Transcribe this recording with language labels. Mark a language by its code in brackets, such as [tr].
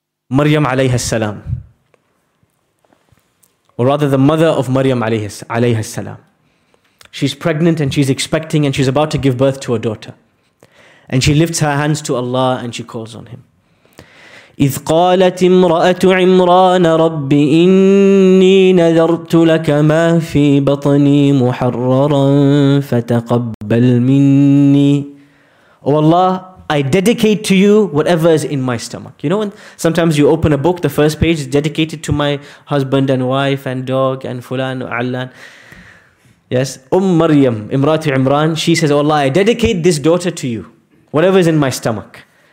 [en] Maryam alayhi salam. Or rather the mother of Maryam alayhi salam. She's pregnant and she's expecting and she's about to give birth to a daughter. And she lifts her hands to Allah and she calls on Him. [ar] إِذْ قَالَتِ امْرَأَةُ عِمْرَانَ رَبِّ إِنِّي نَذَرْتُ لَكَ مَا فِي بَطْنِي مُحَرَّرًا فَتَقَبَّلْ مِنِّي. [en] Oh Allah, I dedicate to you whatever is in my stomach. You know, and sometimes you open a book, the first page is dedicated to my husband and wife and dog and fulan and allan. Yes, Maryam, Imrati Imran, she says, oh Allah, I dedicate this daughter to you, whatever is in my stomach.